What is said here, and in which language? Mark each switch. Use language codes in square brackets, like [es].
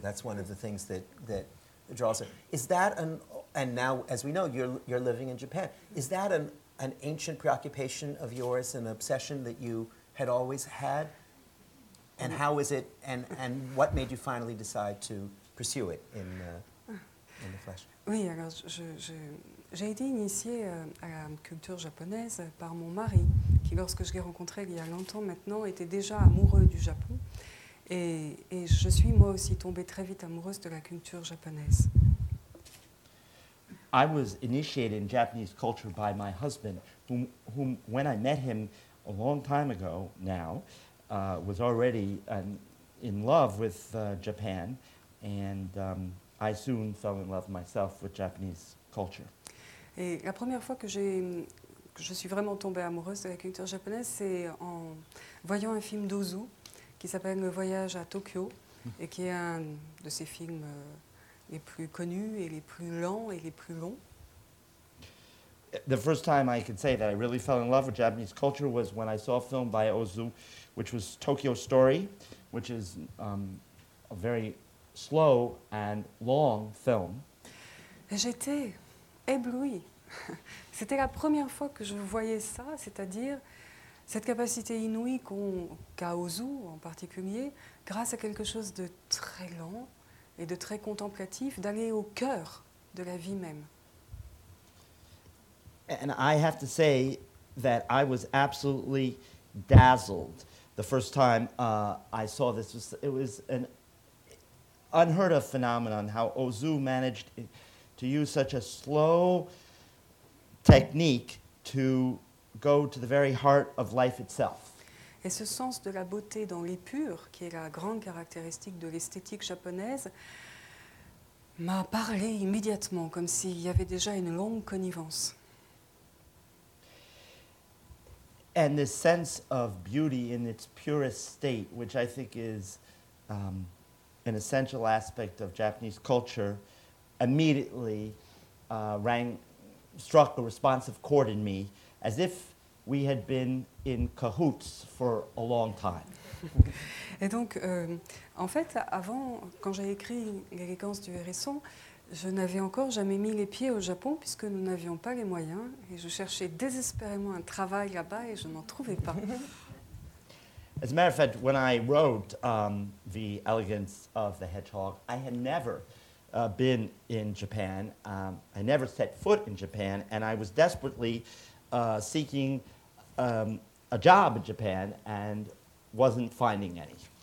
[en] That's one of the things that draws her. Is that and now, as we know, you're living in Japan. Is that an ancient preoccupation of yours, an obsession that you had always had? And how is it, and what made you finally decide to pursue it in the flesh? [fr] Oui, alors j'ai été initiée à la culture japonaise par mon mari, qui, lorsque je l'ai rencontré il y a longtemps maintenant, était déjà amoureux du Japon. Et je suis moi aussi tombée très vite amoureuse de la culture japonaise. [en] I was initiated in Japanese culture by my husband, whom when I met him a long time ago now, was already in love with Japan, and I soon fell in love myself with Japanese culture. [fr] Et la première fois que je suis vraiment tombée amoureuse de la culture japonaise, c'est en voyant un film d'Ozu qui s'appelle Le Voyage à Tokyo, et qui est un de ces films les plus connus et les plus lents et les plus longs. [en] The first time I could say that I really fell in love with Japanese culture was when I saw a film by Ozu, which was Tokyo Story, which is a very slow and long film. [fr] Et j'étais éblouie. C'était la première fois que je voyais ça, c'est-à-dire cette capacité inouïe qu'a Ozu en particulier, grâce à quelque chose de très lent et de très contemplatif, d'aller au cœur de la vie même. [en] And I have to say that I was absolutely dazzled the first time I saw this. It was an unheard of phenomenon, how Ozu managed to use such a slow technique to go to the very heart of life itself. [fr] Et ce sens de la beauté dans l'épure, qui est la grande caractéristique de l'esthétique japonaise, m'a parlé immédiatement, comme s'il y avait déjà une longue connivence. [en] And this sense of beauty in its purest state, which I think is an essential aspect of Japanese culture, immediately rang struck a responsive chord in me, as if we had been in cahoots for a long time. [fr] Et donc, en fait, avant, quand j'ai écrit l'élégance du hérisson, je n'avais encore jamais mis les pieds au Japon puisque nous n'avions pas les moyens et je cherchais désespérément un travail là-bas et je n'en trouvais pas. [en] As a matter of fact, when I wrote The Elegance of the Hedgehog, I had never been in Japan. I never set foot in Japan and I was desperately seeking a job in Japan and wasn't finding any.